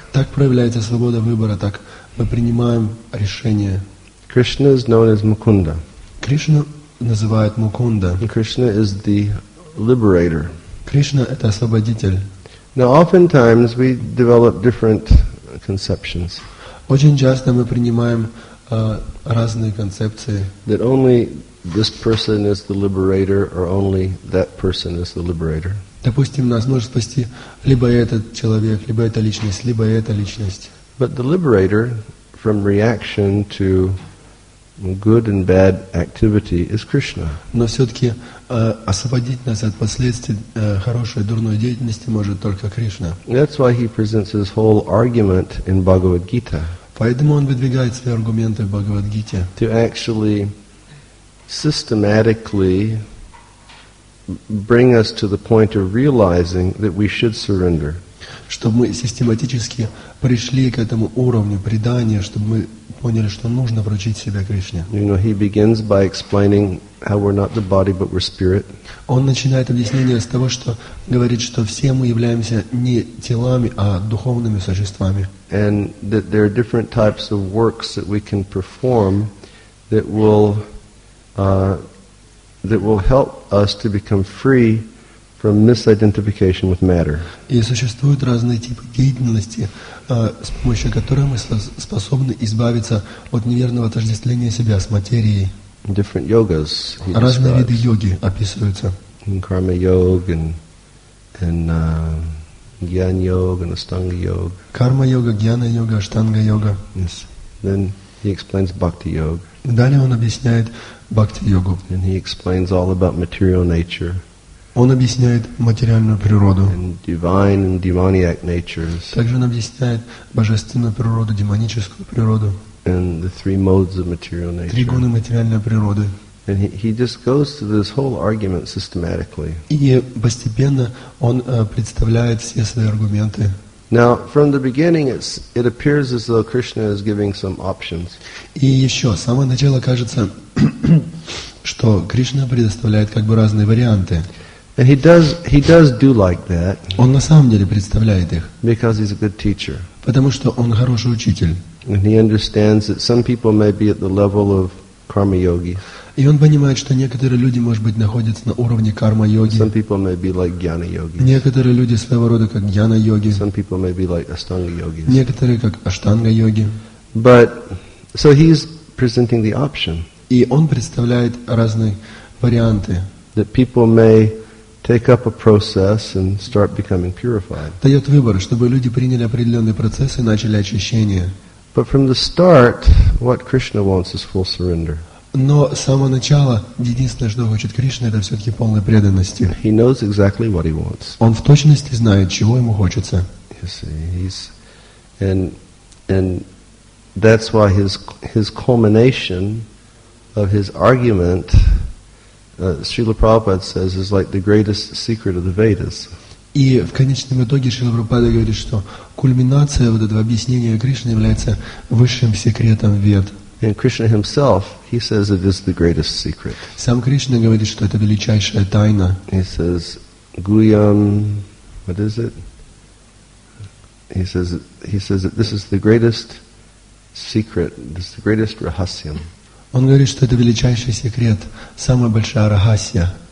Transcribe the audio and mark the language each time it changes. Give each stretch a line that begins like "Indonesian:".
Russian: Так проявляется свобода выбора, так мы принимаем решение.
English: Krishna is known as Mukunda.
Russian: Кришна называют Мукунда.
English: Krishna is the liberator.
Russian: Кришна это освободитель.
English: Now, oftentimes we develop different conceptions.
Russian: Очень часто мы принимаем разные концепции.
English: That only this person is the liberator, or only that person is the liberator.
Russian: Допустим, нас может спасти либо этот человек, либо эта личность, либо эта личность.
English: But the liberator, from reaction to good and bad activity, is Krishna.
Russian: Но все-таки освободить нас от последствий хорошей и дурной деятельности может только Кришна.
English: That's why he presents his whole argument in Bhagavad Gita.
Russian: Поэтому он выдвигает свои аргументы в Бхагавад-гите.
English: To actually systematically bring us to the point of realizing that we should surrender.
Russian: Чтобы мы систематически пришли к этому уровню предания, чтобы мы поняли, что нужно вручить себя Кришне.
English: You know, he begins by explaining how we're not the body, but we're spirit.
Russian: Он начинает объяснение с того, что говорит, что все мы являемся не телами, а духовными существами.
English: And that there are different types of works that we can perform that will help us to become free from misidentification with matter.
Russian: И существуют разные типы деятельности, с помощью которой мы способны избавиться от неверного отождествления себя с материей.
English: Different yogas.
Russian: Разные виды йоги описываются.
English: Karma yoga and Gyan yoga and Ashtanga yoga.
Russian: Карма йога, гьяна йога, аштанга йога.
English: Yes. Then He explains Bhakti Yoga.
Russian: Далее он объясняет Бхакти Йогу.
English: And he explains all about material nature.
Russian: Он объясняет материальную природу.
English: And divine and demoniac natures.
Russian: Также он объясняет божественную природу, демоническую природу.
English: And the three modes of material nature.
Russian: Три гуны материальной природы.
English: And he just goes through this whole argument systematically.
Russian: И постепенно он представляет все свои аргументы.
English: Now, from the beginning, it appears as though Krishna is giving some options.
Russian: И еще, с самого начала кажется, что Кришна предоставляет как бы разные варианты.
English: And he does do like that.
Russian: Он на самом деле представляет их.
English: Because he's a good teacher.
Russian: Потому что он хороший учитель.
English: And he understands that some people may be at the level of karma yogi.
Russian: И он понимает, что некоторые люди, может быть, находятся на уровне карма-йоги.
English: Some people may be like jnana yogis.
Russian: Некоторые люди своего рода как джнана-йоги.
English: Some people may be like ashtanga yogis.
Russian: Некоторые как аштанга-йоги.
English: But, so he's presenting the option.
Russian: И он представляет разные варианты.
English: That people may take up a process and start becoming purified.
Russian: Дает выбор, чтобы люди приняли определенный процесс и начали очищение.
English: But from the start, what Krishna wants is full surrender.
Russian: Но с самого начала, единственное, что хочет Кришна, это все-таки полной преданности.
English: He knows exactly what he wants.
Russian: Он в точности знает, чего ему хочется.
English: You see, and that's why his culmination of his argument, Srila Prabhupada says, is like the greatest secret of the Vedas.
Russian: И в конечном итоге Шрила Прабхупада говорит, что кульминация вот этого объяснения Кришны является высшим секретом Вед.
English: And Krishna himself, he says it is the greatest secret.
Russian: Сам Кришна говорит, что это величайшая тайна.
English: He says, Guyam, what is it? He says that this is the greatest secret, this is the greatest rahasyam.
Russian: Он говорит, что это величайший секрет, самая большая рахасья.